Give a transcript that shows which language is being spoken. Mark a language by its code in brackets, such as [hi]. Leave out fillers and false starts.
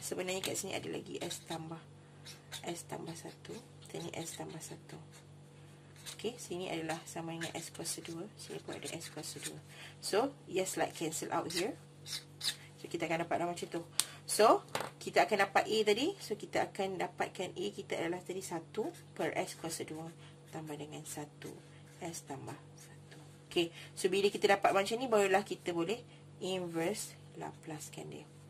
[ms] Sebenarnya kat sini ada lagi S tambah. S tambah 1. Sini S tambah 1. Okay. Sini adalah sama dengan S kuasa 2. Sini pun ada S kuasa 2. [en] So, yes like cancel out here. [ms] So, kita akan dapat macam tu. So, kita akan dapat A tadi. So, kita akan dapatkan A kita adalah tadi 1 per S kuasa 2 tambah dengan 1. S tambah 1. Okay. So, bila kita dapat macam ni, barulah kita boleh inverse Laplace-kan dia.